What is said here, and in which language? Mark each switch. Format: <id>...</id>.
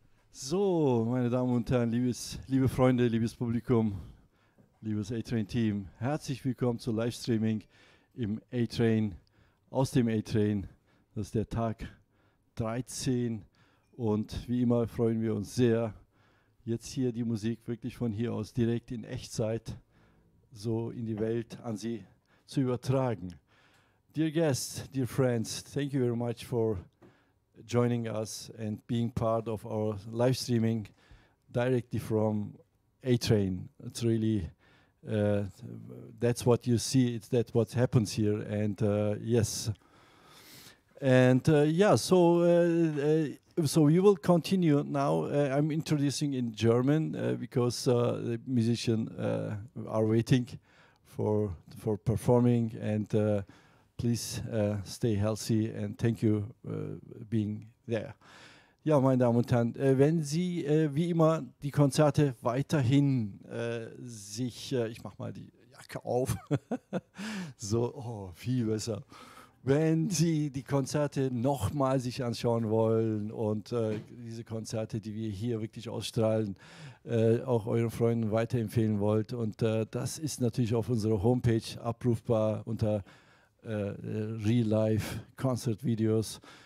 <de>So, meine Damen und Herren, liebe Freunde, liebes Publikum, liebes A-Train-Team, herzlich willkommen zu Livestreaming im A-Train, aus dem A-Train. Das ist der Tag 13 und wie immer freuen wir uns sehr, jetzt hier die Musik wirklich von hier aus direkt in Echtzeit so in die Welt an Sie zu übertragen.</de> <en>Dear guests, dear friends, thank you very much for joining us and being part of our live streaming directly from A-Train. It's really, that's what you see, it's that what happens here, and yes. And so we will continue now. I'm introducing in German because the musicians are waiting for performing, and please stay healthy and thank you being there.</en> <de>Ja, meine Damen und Herren, wenn Sie wie immer die Konzerte weiterhin sich, ich mach mal die Jacke auf, so, oh, viel besser. Wenn Sie die Konzerte nochmal sich anschauen wollen und diese Konzerte, die wir hier wirklich ausstrahlen, auch euren Freunden weiterempfehlen wollt, und das ist natürlich auf unserer Homepage abrufbar unter Real Life Concert Videos.</de>